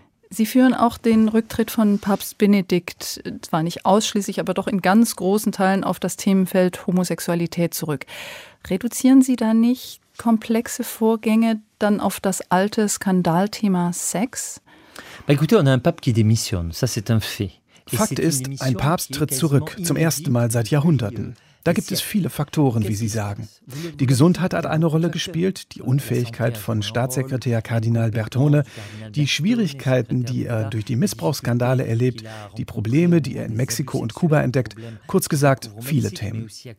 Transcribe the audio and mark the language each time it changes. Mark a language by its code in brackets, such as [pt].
[de] Sie führen auch den Rücktritt von Papst Benedikt, zwar nicht ausschließlich, aber doch in ganz großen Teilen auf das Themenfeld Homosexualität zurück. Reduzieren Sie da nicht komplexe Vorgänge dann auf das alte Skandalthema Sex? [fr] Bah, écoutez, on a un pape qui démissionne, ça c'est un fait. [de] Fakt ist, ein Papst tritt zurück, zum ersten Mal seit Jahrhunderten. Da gibt es viele Faktoren, wie Sie sagen. Die Gesundheit hat eine Rolle gespielt, die Unfähigkeit von Staatssekretär Kardinal Bertone, die Schwierigkeiten, die er durch die Missbrauchsskandale erlebt, die Probleme, die er in Mexiko und Kuba entdeckt, kurz gesagt, viele Themen.